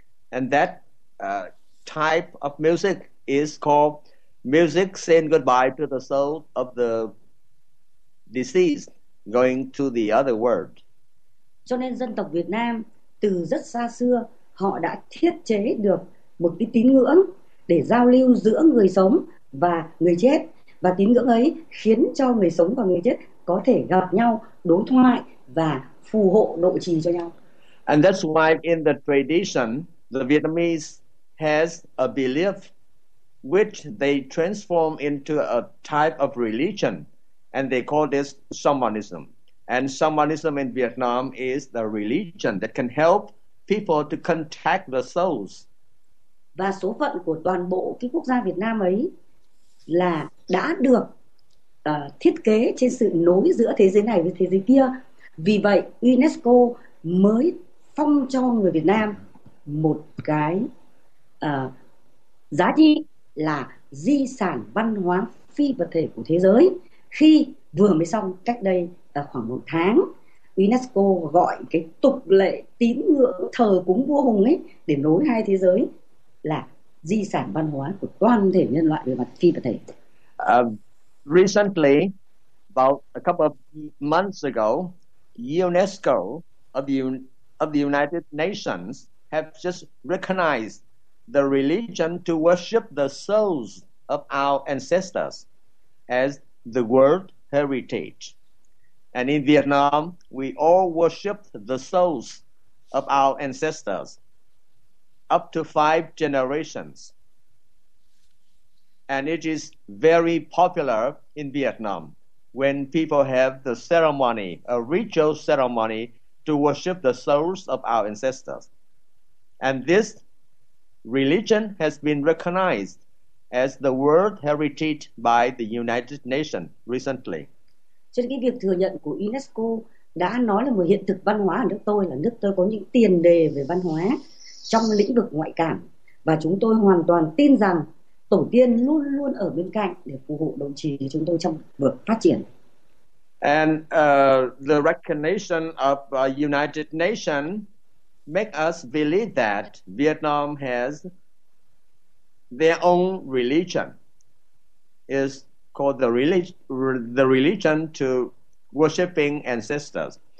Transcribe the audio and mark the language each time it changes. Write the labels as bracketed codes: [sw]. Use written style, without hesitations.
[en] And that type of music is called music saying goodbye to the soul of the deceased going to the other world. [vi] Cho nên dân tộc Việt Nam từ rất xa xưa họ đã thiết chế được một cái tín ngưỡng để giao lưu giữa người sống và người chết, và tín ngưỡng ấy khiến cho người sống và người chết có thể gặp nhau, đối thoại và phù hộ độ trì cho nhau. [en] And that's why in the tradition the Vietnamese has a belief which they transform into a type of religion, and they call this shamanism. And shamanism in Vietnam is the religion that can help people to contact the souls. [vi] Và số phận của toàn bộ cái quốc gia Việt Nam ấy là đã được thiết kế trên sự nối giữa thế giới này với thế giới kia. Vì vậy UNESCO mới phong cho người Việt Nam một cái giá trị là di sản văn hóa phi vật thể của thế giới. Khi vừa mới xong cách đây khoảng một tháng, UNESCO gọi cái tục lệ tín ngưỡng thờ cúng vua Hùng ấy để nối hai thế giới là di sản văn hóa của toàn thể nhân loại về mặt phi vật thể. [en] Recently, about a couple of months ago, UNESCO of the United Nations have just recognized the religion to worship the souls of our ancestors as the world heritage. And in Vietnam, we all worship the souls of our ancestors up to 5 generations. And it is very popular in Vietnam when people have the ceremony, a ritual ceremony, to worship the souls of our ancestors. And this religion has been recognized as the World Heritage by the United Nations recently. [vi] Cho nên cái việc thừa nhận của UNESCO đã nói là một hiện thực văn hóa ở nước tôi, là nước tôi có những tiền đề về văn hóa trong lĩnh vực ngoại cảm, và chúng tôi hoàn toàn tin rằng tổ tiên luôn luôn ở bên cạnh để phù hộ đồng trì cho chúng tôi trong việc phát triển. [en] And the recognition of United Nations make us believe that Vietnam has their own religion, is called the religion to worshiping ancestors.